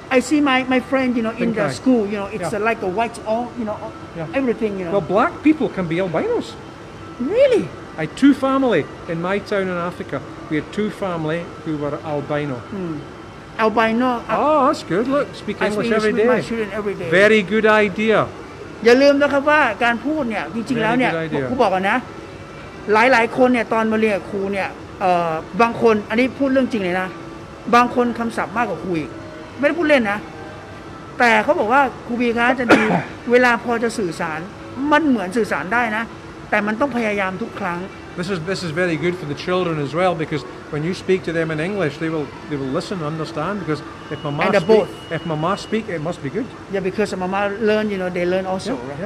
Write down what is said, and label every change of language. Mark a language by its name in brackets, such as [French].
[English] I see my friend, you know, in the school, you know, it's like a white, all, you know, everything, you know. Well, black people can be albinos. Really? I had two family in my town in Africa. We had two family who were albino. Albino. Oh, that's good. Look, speak English every day. I speak English with my children every day. Very good idea. [Thai] อย่าลืมนะครับว่าการพูดเนี่ยจริงๆแล้วเนี่ยครูบอกนะหลายหลายคนเนี่ยตอนมาเรียนครูเนี่ยบางคนอันนี้พูดเรื่องจริงเลยนะบางคนคำศัพท์มากกว่าครูอีกไม่ได้พูดเล่นนะแต่เขาบอกว่าครูบีคะจะดี เวลาพอจะสื่อสารมันเหมือนสื่อสารได้นะแต่มันต้องพยายามทุกครั้ง [English] This is very good for the children as well becauseWhen you speak to them in English, they will listen and understand because if mama speaks, both. If mama speak, it must be good. Yeah, because mama learn, you know, they learn also.